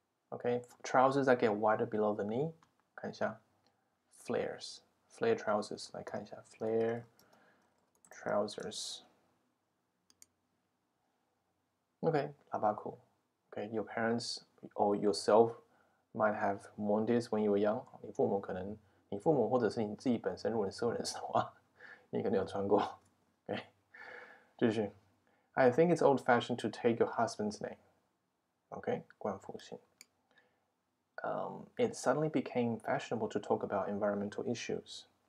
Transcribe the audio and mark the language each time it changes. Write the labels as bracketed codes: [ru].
[en] Okay, trousers that get wider below the knee. [zh] 看一下 [en] ，flares, flare trousers. [zh] 来看一下 flare trousers. [en] Okay, [zh] 喇叭裤。 [en] Okay, your parents or yourself might have worn this when you were young. [zh] 你父母可能，你父母或者是你自己本身，如果你是个人的话，你可能有穿过。 Okay, 继续。 [en] I think it's old-fashioned to take your husband's name. Okay, [zh] 冠夫姓。 [en] It suddenly became fashionable to talk about environmental issues.